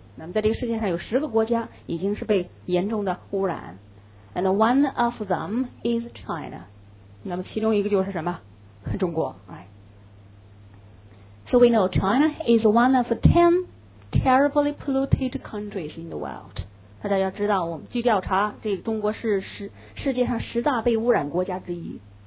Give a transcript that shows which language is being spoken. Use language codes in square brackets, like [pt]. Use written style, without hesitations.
[zh] 那么在这个世界上有十个国家已经是被严重的污染。 [en] And one of them is China. [zh] 那么其中一个就是什么？中国。 [en] Right. So we know China is one of 10 terribly polluted countries in the world. [zh] 大家要知道，我们据调查，这个中国是世界上十大被污染国家之一。